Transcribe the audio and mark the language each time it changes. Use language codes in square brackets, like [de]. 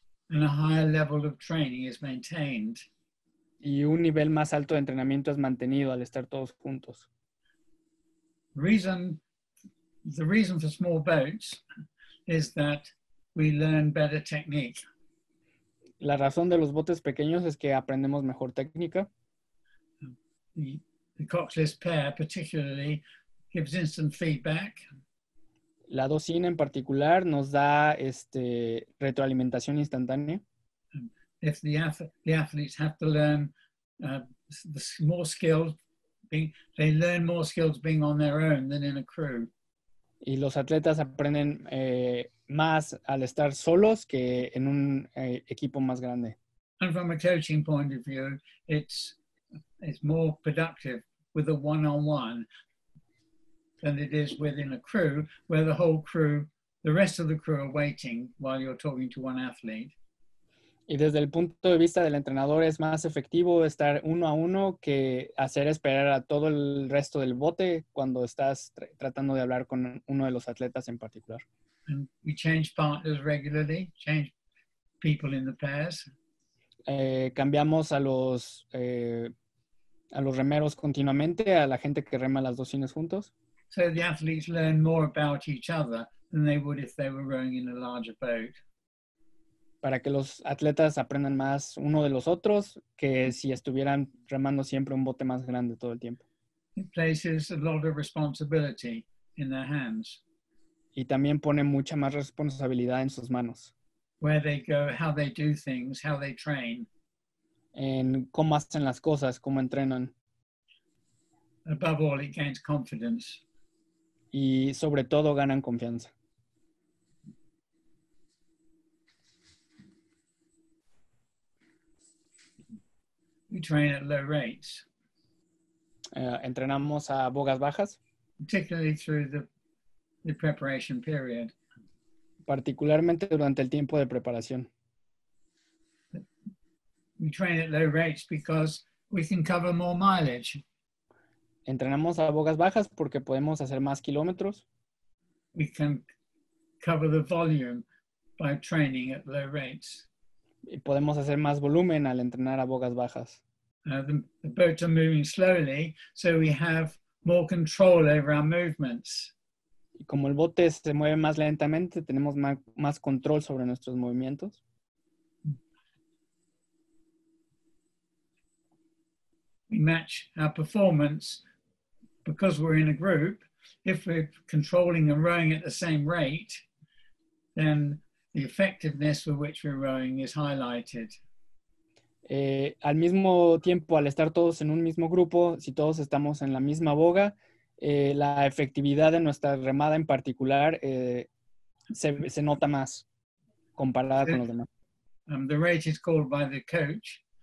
[en] And a higher level of training is maintained. [es] Y un nivel más alto de entrenamiento es mantenido al estar todos juntos. [en] The reason for small boats is that we learn better technique. [es] La razón de los botes pequeños es que aprendemos mejor técnica. [en] The coxless pair particularly gives instant feedback. [es] La docina en particular nos da retroalimentación instantánea. [en] If the athletes have to learn more skills, they learn more skills being on their own than in a crew. [es] Y los atletas aprenden más al estar solos que en un equipo más grande. [en] And from a coaching point of view, it's more productive with a one-on-one than it is within a crew, where the rest of the crew are waiting while you're talking to one athlete. [es] Y desde el punto de vista del entrenador, es más efectivo estar uno a uno que hacer esperar a todo el resto del bote cuando estás tratando de hablar con uno de los atletas en particular. [en] And we change partners regularly, change people in the pairs. [es] Cambiamos a los remeros continuamente, a la gente que rema las dos cines juntos. [en] So the athletes learn more about each other than they would if they were rowing in a larger boat. [es] Para que los atletas aprendan más uno de los otros que si estuvieran remando siempre un bote más grande todo el tiempo. [en] It places a lot of responsibility in their hands. [es] Y también pone mucha más responsabilidad en sus manos. [en] Where they go, how they do things, how they train. [es] En cómo hacen las cosas, cómo entrenan. [en] Above all, it gains confidence. [es] Y sobre todo ganan confianza. [en] We train at low rates. [es] Entrenamos a bogas bajas. [en] Particularly through the preparation period. [es] Particularmente durante el tiempo de preparación. [en] We train at low rates because we can cover more mileage. [es] Entrenamos a bogas bajas porque podemos hacer más kilómetros. [en] We can cover the volume by training at low rates. [es] y podemos hacer más volumen al entrenar a bocas bajas. [en] The boats are moving slowly, so we have more control over our movements. [es] Y como el bote se mueve más lentamente, tenemos más control sobre nuestros movimientos. [en] We match our performance because we're in a group. If we're controlling and rowing at the same rate, then the effectiveness with which we're rowing is highlighted. [es] Al mismo tiempo, al estar todos en un mismo grupo, si todos estamos en la misma boga, la efectividad de nuestra remada en particular se nota más comparada con los demás. [en] The rate is called by the coach.